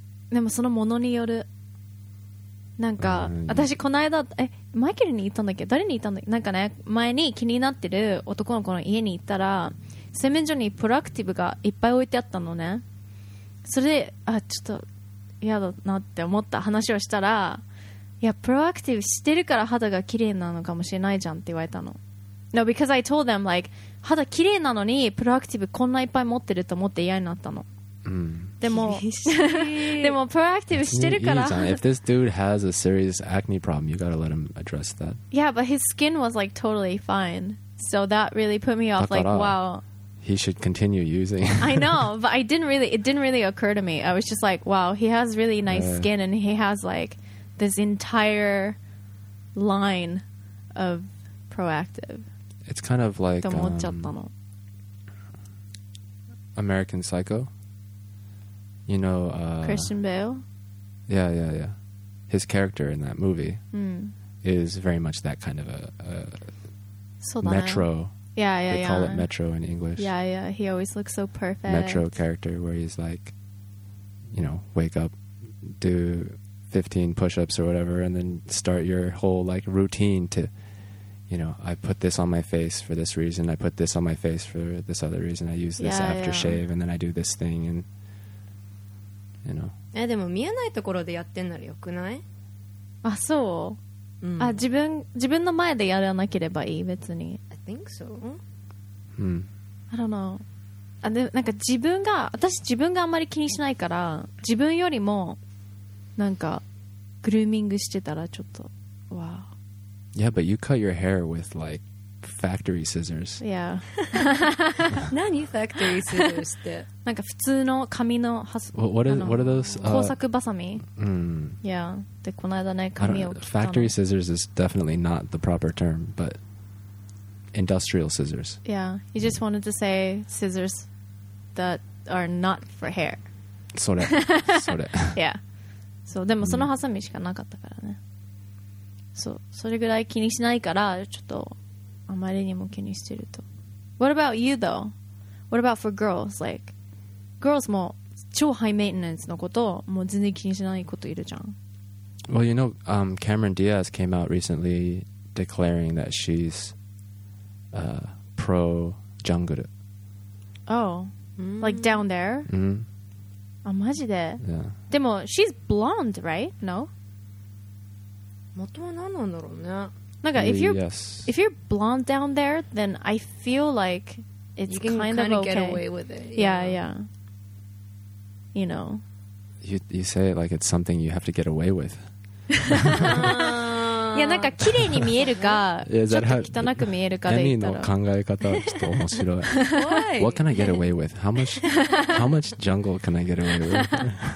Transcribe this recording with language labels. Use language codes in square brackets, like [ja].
[ja] でもそのものによるなんか、私この間マイケルに行ったんだっけ誰に行ったんだっけなんかね前に気になってる男の子の家に行ったら洗面所にプロアクティブがいっぱい置いてあったのねそれであちょっと嫌だなって思った話をしたらいやプロアクティブしてるから肌が綺麗なのかもしれないじゃんって言われたの [en] No because I told them like [ja] 肌綺麗なのにプロアクティブこんないっぱい持ってると思って嫌になったのでもプロアクティブしてるから。いいじゃん。 [en] If this dude has a serious acne problem, you gotta let him address that. Yeah, but his skin was like totally fine. So that really put me off. Like, wow. He should continue using. I know, but it didn't really occur to me. I was just like, wow, he has really nice skin, and he has like this entire line of proactive. It's kind of like American Psycho. You know, Christian Bale. Yeah. His character in that movie is very much that kind of a metro. They call it Metro in English. Yeah. He always looks so perfect. Metro character where he's like, you know, wake up, do 15 push-ups or whatever, and then start your whole like routine to, you know, I put this on my face for this reason. I put this on my face for this other reason. I use this aftershave and then I do this thing and, you know. [ja] え、でも見えないところでやってんならよくない？あ、そう。あ、自分の前でやらなければいい、別に。 [en] Think so. I don't know. [ja] あ、で、なんか自分が、私自分があんまり気にしないから、自分よりもなんかグルーミングしてたらちょっと、わあ。 [en] Yeah, but you cut your hair with like factory scissors. Yeah. [ja] 何 [en] factory scissors [ja] って？なんか普通の紙のハ [en] ス。What are those? [ja] 工作バサミ。Yeah. で、この間ね、紙を切ったの。 [en] Factory scissors is definitely not the proper term, but industrial scissors. Yeah, you just wanted to say scissors that are not for hair. [ja] それ、それ。 [en] Yeah. [ja] そう、でもそのハサミしかなかったからね。そう、それぐらい気にしないから、ちょっとあまりにも気にしてると。 [en] What about you though? What about for girls? Like, girls [ja] も超ハイメンテナンスのことをもう全然気にしないこといるじゃん。 [en] Well, you know, Cameron Diaz came out recently declaring that she'sPro jungle. Oh, like down there? Mm-hmm. [ja] あ、マジで? [en] Yeah. でも, she's blonde, right? No? [ja] 元は何なんだろうね? [en] なんか, if you're blonde down there, then I feel like it's kind of okay. You can kind of get away with it. Yeah. You know. You say it like it's something you have to get away with. [ja] いや、なんか綺麗に見えるか、ちょっと汚く見えるかで言ったら。エミの考え方はちょっと面白い。 [en] What can I get away with? How much jungle can I get away with?